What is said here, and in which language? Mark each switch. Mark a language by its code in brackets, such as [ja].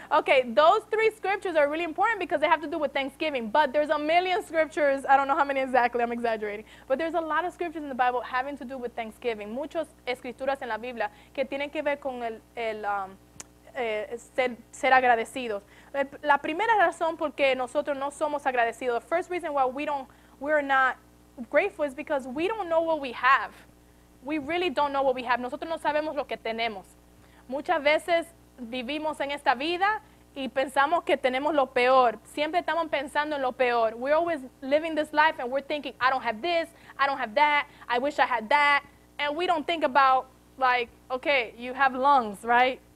[en] Okay, those three scriptures are really important because they have to do with Thanksgiving. But there's a million scriptures. I don't know how many exactly. I'm exaggerating. But there's a lot of scriptures in the Bible having to do with Thanksgiving. [es] Muchas escrituras en la Biblia que tienen que ver con ser agradecidos. La primera razón por qué nosotros no somos agradecidos, [en] the first reason why we're not grateful is because we don't know what we have. We really don't know what we have. [es] Nosotros no sabemos lo que tenemos. Muchas veces vivimos en esta vida y pensamos que tenemos lo peor. Siempre estamos pensando en lo peor. [en] We're always living this life and we're thinking, I don't have this, I don't have that, I wish I had that. And we don't think about, like, okay, you have lungs, right?